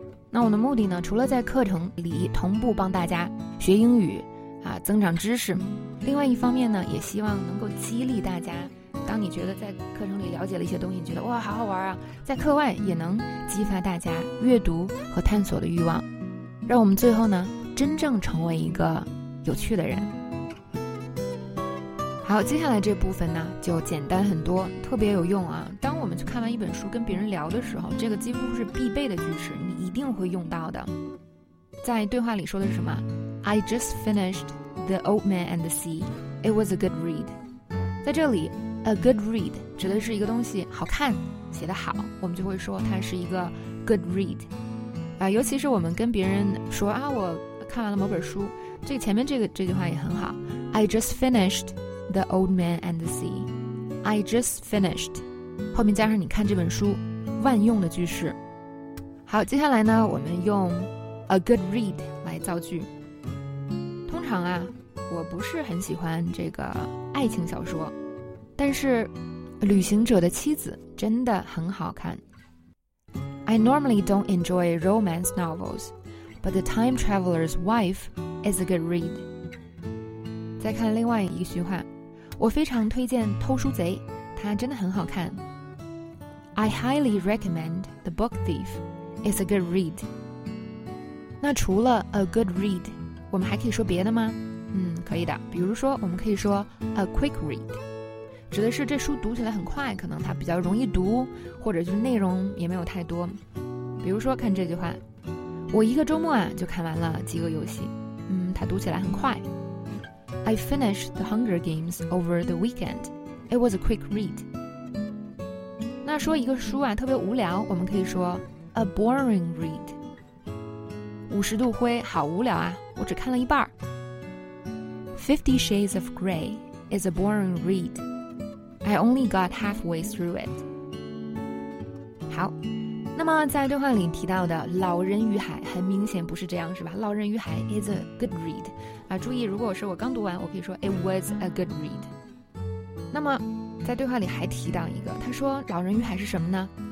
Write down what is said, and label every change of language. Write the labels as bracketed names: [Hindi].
[Chinese] 那我的目的呢，除了在课程里同步帮大家学英语啊，增长知识，另外一方面呢，也希望能够激励大家，当你觉得在课程里了解了一些东西，你觉得哇好好玩啊，在课外也能激发大家阅读和探索的欲望，让我们最后呢真正成为一个有趣的人。好，接下来这部分呢就简单很多，特别有用啊。当我们去看完一本书跟别人聊的时候，这个几乎是必备的句式，你一定会用到的。在对话里说的是什么？ [English] I just finished The Old Man and the Sea. It was a good read. [Chinese] 在这里A good read 指的是一个东西好看，写得好，我们就会说它是一个 good read 啊。尤其是我们跟别人说啊，我看完了某本书，这个前面这句话也很好。 [English] I just finished The Old Man and the Sea. [Chinese] I just finished 后面加上你看这本书，万用的句式。好，接下来呢我们用 a good read 来造句。通常啊，我不是很喜欢这个爱情小说，但是旅行者的妻子真的很好看。 [English] I normally don't enjoy romance novels, but The Time Traveler's Wife is a good read. [Chinese] 再看另外一句话，我非常推荐偷书贼，它真的很好看。 [English] I highly recommend The Book Thief, it's a good read. [Chinese] 那除了 a good read, 我们还可以说别的吗？可以的，比如说我们可以说 a quick read,指的是这书读起来很快，可能它比较容易读，或者就是内容也没有太多。比如说看这句话，我一个周末啊就看完了饥饿游戏，它读起来很快。 [English] I finished The Hunger Games over the weekend. It was a quick read. [Chinese] 那说一个书啊特别无聊，我们可以说 A boring read. 50度灰好无聊啊，我只看了一半。 [English] 50 Shades of Grey is a boring readI only got halfway through it. [Chinese] 好，那么在对话里提到的《老人与海》很明显不是这样，是吧？《老人与海》 [English] is a good read. [Chinese] 啊，注意，如果是我刚读完，我可以说 [English] It was a good read. [Chinese] 那么在对话里还提到一个，他说《老人与海》是什么呢？